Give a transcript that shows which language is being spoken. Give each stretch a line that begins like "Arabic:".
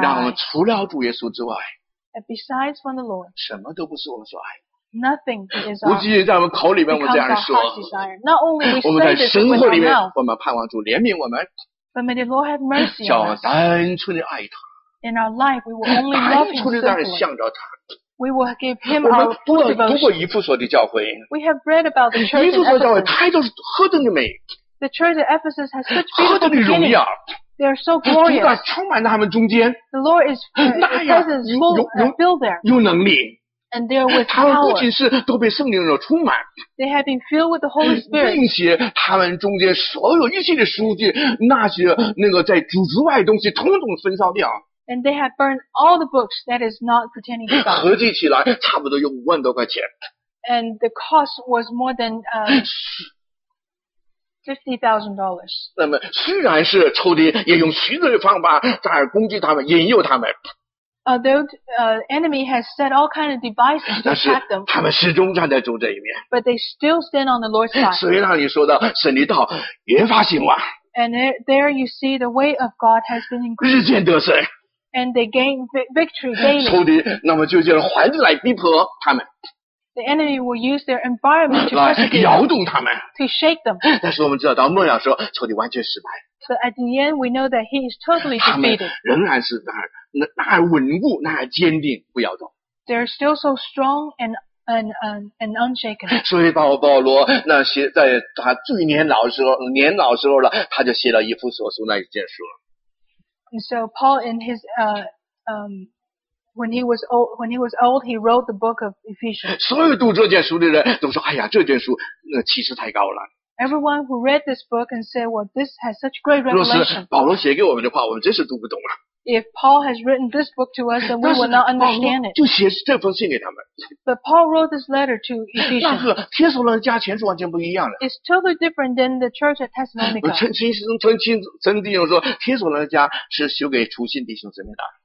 Chinese: 让我们除了主耶稣之外
English: And besides from the Lord,
Chinese: 什么都不是我们所爱
English: Nothing is our
Chinese: 不仅仅在我们口里面我们这样说
English: Not only we say this
Chinese: 我们在生活里面我们盼望主怜悯我们
English: But may the Lord have mercy on us.
Chinese: 叫我们单纯的爱他
English: In our life, we will only love him simply.
Chinese: 让人向着他
English: We will give him our full devotion.
Chinese: 读过以弗所的教会。
English: We have read about the church in Ephesus.
Chinese: 以弗所教会太多是何等的美。
English: The church in Ephesus has such beautiful beginning.
Chinese: 何等的荣耀。
English: They are so glorious.
Chinese: 主充满在他们中间。
English: The Lord is presence full and filled there.
Chinese: 有能力。
English: And they are with power.
Chinese: 他们不仅是都被圣灵所充满。
English: They have been filled with the Holy Spirit.
Chinese: 并且他们中间所有一切的书籍，那些那个在主之外的东西，统统焚烧掉。
English: And they have burned all the books that is not pertaining to God.
Chinese: 合计起来差不多有五万多块钱。
English: And the cost was more than $50,000.
Chinese: 那么虽然是仇敌也用许多的方法在攻击他们引诱他们。
English: Although enemy has set all kinds of devices to attack them.
Chinese: 他们始终站在主这一面。
English: But they still stand on the Lord's side.
Chinese: 所以让你说到神的道越发兴旺。
English: And there you see the way of God has been increased.
Chinese: 日渐得胜。
English: And they gain victory daily.
Chinese: 仇敌那么就用环境来逼迫他们。
English: The enemy will use their environment to persecute them.
Chinese: 来摇动他们。
English: To shake them.
Chinese: 但是我们知道到末了说仇敌完全失败。
English: So at the end we know that he is totally defeated.
Chinese: 他们仍然是那儿稳固那儿坚定不摇动。
English: They're still so strong and unshaken.
Chinese: 所以保罗那些在他最年老时候了他就写了以弗所书那一件书。
English: And so Paul, in his when he was old, he wrote the book of Ephesians.
Chinese: 所有读这卷书的人都说：“哎呀，这卷书那气势太高了。”
English: Everyone who read this book and said, "Well, this has such great revelation."
Chinese: 若是保罗写给我们的话，我们真是读不懂啊。
English: If Paul has written this book to us, then we will not understand it.
Chinese: 就写这封信给他们。
English: But Paul wrote this letter to Ephesians.
Chinese: 那个帖撒罗尼迦前书完全不一样的。
English: It's totally different than the church at Thessalonica.
Chinese: 陈弟兄说，帖撒罗尼迦是写给初信弟兄姊妹的。